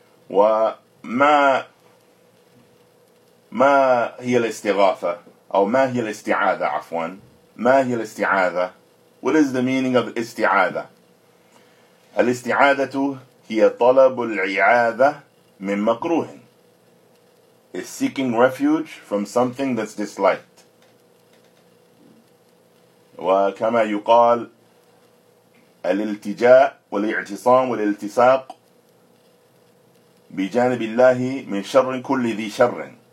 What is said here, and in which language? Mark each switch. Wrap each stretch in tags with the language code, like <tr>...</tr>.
<ar>وما هي الاستغاثة أو ما هي الاستعاذة عفوا ما هي الاستعاذة.</ar> <en>What is the meaning of</en> <ar>استعاذة؟ الاستعادة هي طلب العيادة من مكروه.</ar> <en>Is seeking refuge from something that's disliked.</en> <ar>وكما يقال الالتجاء والاعتصام والالتصاق بجانب الله من شر كل ذي شر.</ar>